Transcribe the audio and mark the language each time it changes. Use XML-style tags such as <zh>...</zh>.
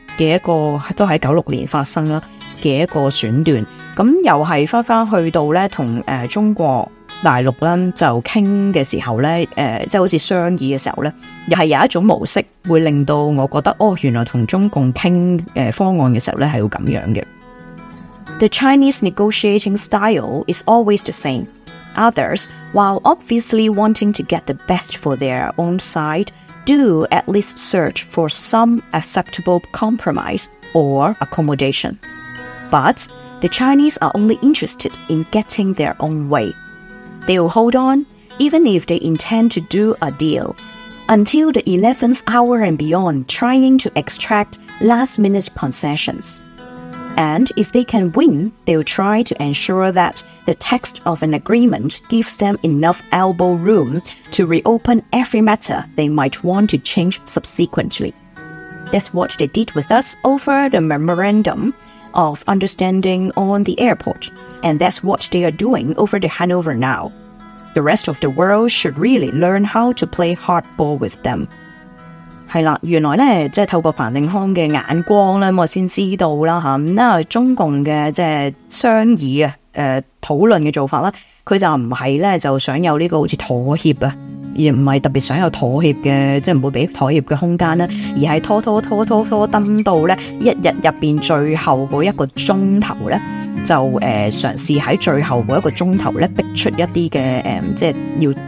<yue>嘅一个都喺1996年发生啦嘅一个选段，咁又系翻去到咧同中国大陆咧就倾嘅时候咧，即系好似商议嘅时候咧，又系有一种模式会令到我觉得哦，原来同中共倾方案嘅时候咧系要咁样嘅。</yue> <en>The Chinese negotiating style is always the same. Others, while obviously wanting to get the best for their own side. Do at least search for some acceptable compromise or accommodation. But the Chinese are only interested in getting their own way. They will hold on, even if they intend to do a deal, until the 11th hour and beyond trying to extract last-minute concessions. And if they can win, they will try to ensure that the text of an agreement gives them enough elbow room to reopen every matter they might want to change subsequently. That's what they did with us over the memorandum of understanding on the airport, and that's what they are doing over the Hanover now. The rest of the world should really learn how to play hardball with them.</en> <yue>系啦，原来咧，即系透过彭定康嘅眼光咧，我先知道啦吓。咁啊，中共嘅即系商议啊，讨论嘅做法啦，佢就唔系咧，就想有呢个好似妥协啊，而唔系特别想有妥协嘅，即系唔会俾妥协嘅空间啦，而系拖登到咧一日入边最后嗰一个钟头咧，就尝试喺最后嗰一个钟头咧，逼出一啲嘅即系要。</yue>